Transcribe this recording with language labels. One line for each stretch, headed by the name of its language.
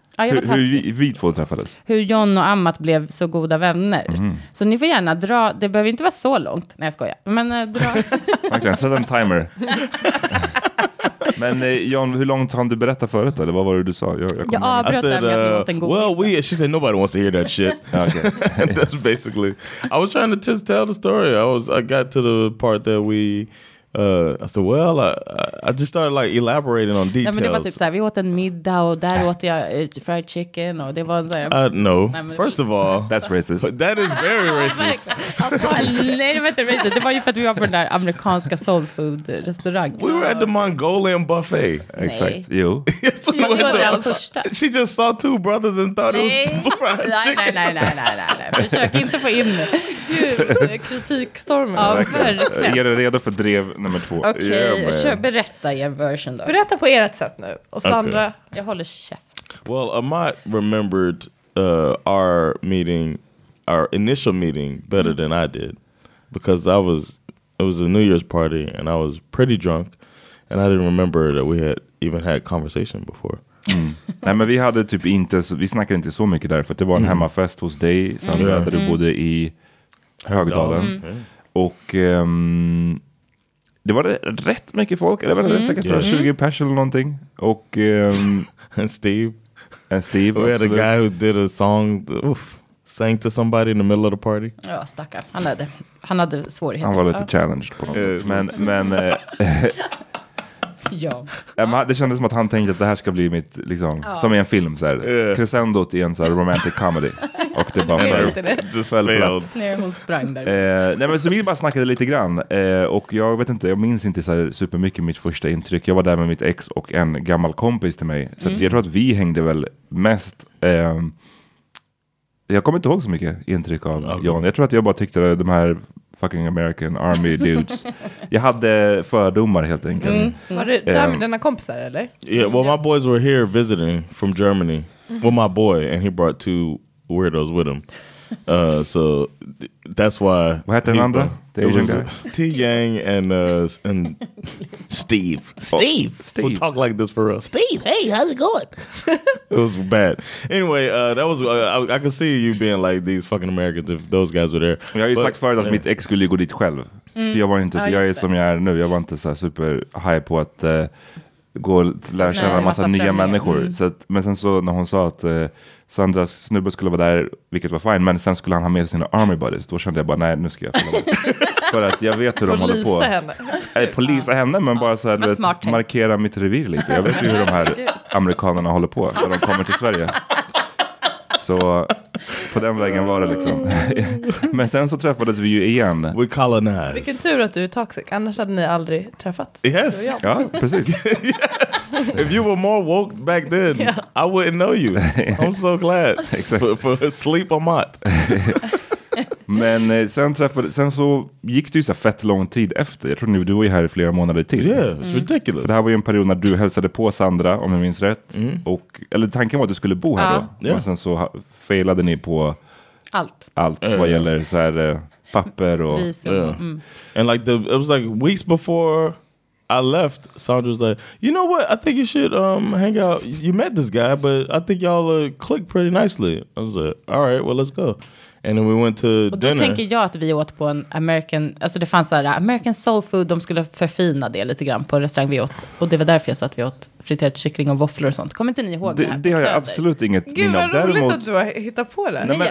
Swedish: Hur vi två träffades. Hur John och Amat blev så goda vänner. Mm. Så ni får gärna dra, det behöver inte vara så långt. Nej, jag skojar. Men dra. Verkligen, sätt en timer. Men John, hur långt har du berättat förut? Eller vad var det du sa? Jag avbröt den, jag hade gjort en god.
English: Well, she said nobody wants to hear that shit. Okay. That's basically. I was trying to just tell the story. I got to the part that we... I said, well, I just started like elaborating on details.
Swedish: Nej, men det var typ såhär, vi åt en middag och där åt jag fried chicken och det var såhär.
English: No.
Swedish: Nej,
English: first of all, that's racist. That is very racist.
Swedish: Nej, det var inte racist. Det var ju för att vi var på den där amerikanska soul food restaurangen.
English: We were at the Mongolian buffet. Exactly. You. So we went there. She just saw two brothers and thought it was fried chicken.
Swedish: Nej. Försök inte få in kritikstormen. Ja, verkligen. Är du redo för drev nummer två? Okej, berätta er version då. Berätta på ert sätt nu. Och Sandra, jag håller käft.
English: Well, Amat remembered our meeting, our initial meeting, better than I did. Because it was a New Year's party and I was pretty drunk. And I didn't remember that we had even had conversation before. Mm.
Swedish: Nej, men vi hade typ inte, vi snackade inte så mycket där. För det var en hemmafest hos dig, Sandra, där du bodde i Högdalen. Mm. Och det var rätt mycket folk. Det var säkert 20 pers eller någonting. Och
English: Steve. We had a guy who did a song. Sang to somebody in the middle of the party.
Swedish: Ja, stackar. Han hade svårigheter. Han var lite challenged på något sätt. Men ja. Det kändes som att han tänkte att det här ska bli mitt liksom, som i en film så här. Crescendot i en så här romantic comedy. Och det bara såhär,
English: just fell platt.
Swedish: Hon sprang där. Nej, men så vi bara snackade lite grann. Och jag vet inte, jag minns inte så här supermycket mitt första intryck. Jag var där med mitt ex och en gammal kompis till mig. Så jag tror att vi hängde väl mest. Jag kommer inte ihåg så mycket intryck av John. Jag tror att jag bara tyckte att de här
English: fucking American Army dudes.
Swedish: Jag hade fördomar helt enkelt. Mm. Mm. Var du där med dina kompisar eller?
English: Yeah, well my boys were here visiting from Germany. Mm. With my boy and he brought two weirdos with him. So that's why.
Swedish: Vad hette den andra?
English: T Yang and Steve. Steve. Oh, Steve. Who talk like this for real? Steve. Hey, how's it going? It was bad. Anyway, that was I could see you being like these fucking Americans if those guys were there.
Swedish: Jag har ju sagt förut att mitt ex skulle gå dit själv. Mm. För jag var inte så jag är som jag är nu. Jag var inte så här super hype på att gå och lära känna en massa nya människor. Mm. Så att, men sen så när hon sa att Sandras snubbe skulle vara där, vilket var fine, men sen skulle han ha med sig sina
English: army buddies,
Swedish: då kände jag bara, nej, nu ska jag följa med. För att jag vet hur de håller på. Polisa henne, men bara så här, vet, markera mitt revir lite. Jag vet ju hur de här amerikanerna håller på när de kommer till Sverige. Så på den vägen var det liksom. Men sen så träffades vi ju igen.
English: We colonize.
Swedish: Vilken tur att du är toxic. Annars hade ni aldrig träffats.
English: Yes.
Swedish: Ja, precis.
English: Yes. If you were more woke back then, yeah. I wouldn't know you. I'm so glad. Exactly. For sleep on mat.
Swedish: Men sen så gick det ju så fett lång tid efter. Jag tror nu du var ju här i flera månader till.
English: Yeah, it's ridiculous.
Swedish: För det här var ju en period när du hälsade på Sandra, om jag minns rätt. Mm. Och, eller tanken var att du skulle bo här då. Yeah. Och sen så failade ni på allt vad gäller så här, papper och...
English: And like it was like weeks before I left, Sandra was like, you know what, I think you should hang out. You met this guy, but I think y'all clicked pretty nicely. I was like, all right, well let's go. And then we went to dinner.
Swedish: Och då tänker jag att vi åt på en American, alltså det fanns så här American soul food, de skulle förfina det lite grann på en restaurang vi åt. Och det var därför jag sa att vi åt friterad kyckling och våfflor och sånt. Kommer inte ni ihåg det? Det har jag absolut inget minne av. Gud, vad roligt att du har hittat på det.